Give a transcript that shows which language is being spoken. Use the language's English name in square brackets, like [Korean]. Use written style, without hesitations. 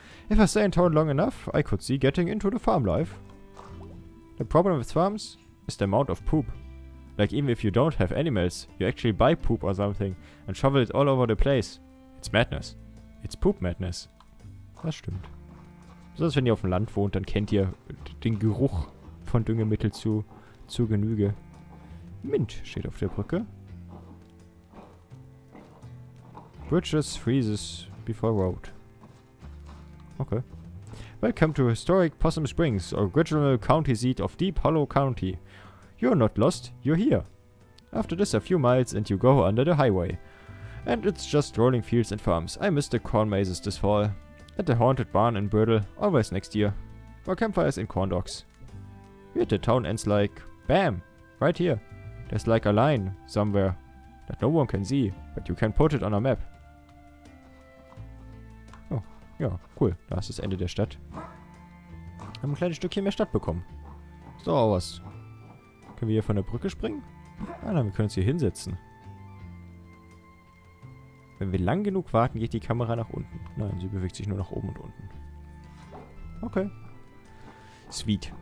[English] If I stay in town long enough, I could see getting into the farm life. The problem with farms is the amount of poop. Like even if you don't have animals, you actually buy poop or something and shovel it all over the place. It's madness. It's poop madness. [German] Das stimmt. Besonders wenn ihr auf dem Land wohnt, dann kennt ihr den Geruch von Düngemittel zu Genüge. Mint steht auf der Brücke. [English] Bridges freezes before road. Okay. Welcome to historic Possum Springs, original county seat of Deep Hollow County. You're not lost, you're here. After this a few miles and you go under the highway. And it's just rolling fields and farms. I miss the corn mazes this fall. At the haunted barn in Birdle, always next year. For campfires and corn dogs. Weird, the town ends like, bam, right here. There's like a line somewhere that no one can see, but you can put it on a map. [German] Oh, ja, cool. Da ist das Ende der Stadt. Wir haben ein kleines Stückchen mehr Stadt bekommen. So, was? Können wir hier von der Brücke springen? Ah, nein, wir können uns hier hinsetzen. Wenn wir lang genug warten, geht die Kamera nach unten. Nein, sie bewegt sich nur nach oben und unten. Okay. Sweet.